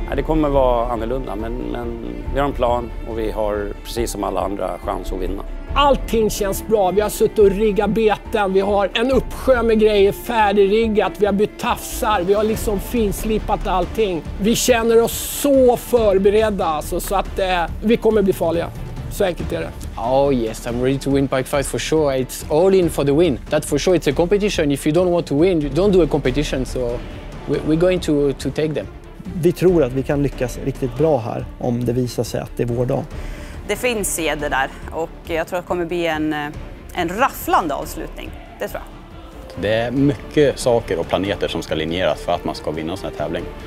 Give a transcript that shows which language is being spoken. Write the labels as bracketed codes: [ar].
[sv] Det kommer vara annorlunda, men vi har en plan och vi har precis som alla andra chans att vinna. Allting känns bra. Vi har suttit och riggat beten. Vi har en uppsjö med grejer färdigriggat. Vi har bytt tafsar. Vi har liksom finslipat allting. Vi känner oss så förberedda alltså, så att vi kommer bli farliga. Så enkelt är det. [en] Oh yes, I'm ready to win Pike Fight for sure. It's all in for the win. That for sure, it's a competition. If you don't want to win, you don't do a competition. So we're going to take them. [sv] Vi tror att vi kan lyckas riktigt bra här om det visar sig att det är vår dag. Det finns seder där och jag tror att det kommer bli en rafflande avslutning. Det tror jag. Det är mycket saker och planeter som ska linjeras för att man ska vinna en sån här tävling.